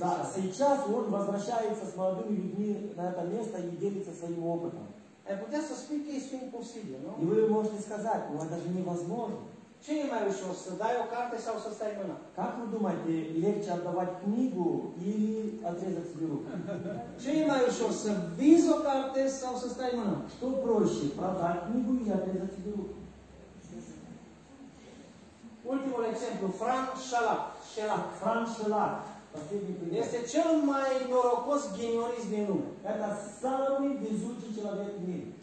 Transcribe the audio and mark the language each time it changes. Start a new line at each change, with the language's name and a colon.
Russian: Да, сейчас он возвращается с молодыми людьми на это место и делится своим опытом.
Romanian: Putea să spui că este imposibil, nu?
Russian: И вы можете сказать, ну это же невозможно.
Romanian: Ce e mai ușor, să dai o carte sau să stai mâna?
Russian: Как вы думаете, легче отдавать книгу или отрезать себе руку?
Romanian: Ce e mai ușor, să vinzi o carte sau să stai mâna?
Russian: Что проще, продать книгу или отрезать себе руку?
Romanian: Ultimul exemplu, Frank Shalak. Frank Shalak. Este cel mai norocos ghinionist din lume.
Russian: Это самый везучий человек в мире.